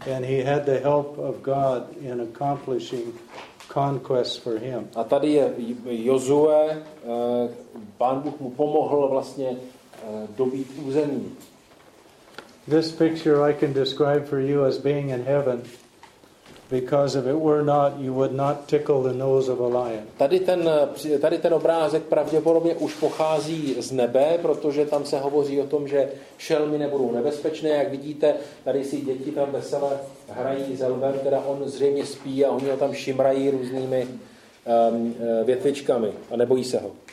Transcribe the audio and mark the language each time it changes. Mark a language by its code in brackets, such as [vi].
[en] And he had the help of God in accomplishing conquest for him. [cs] A tady je Josué, Pán Bůh mu pomohl vlastně dobít území. [en] This picture I can describe for you as being in heaven, because if it were not, you would not tickle the nose of a lion. [cs] Tady ten obrázek pravděpodobně už pochází z nebe, protože tam se hovoří o tom, že šelmy nebudou nebezpečné. Jak vidíte, tady si děti tam vesele hrají s lvem, teda on zřejmě spí a oni ho tam šimrají různými větvičkami a nebojí se ho.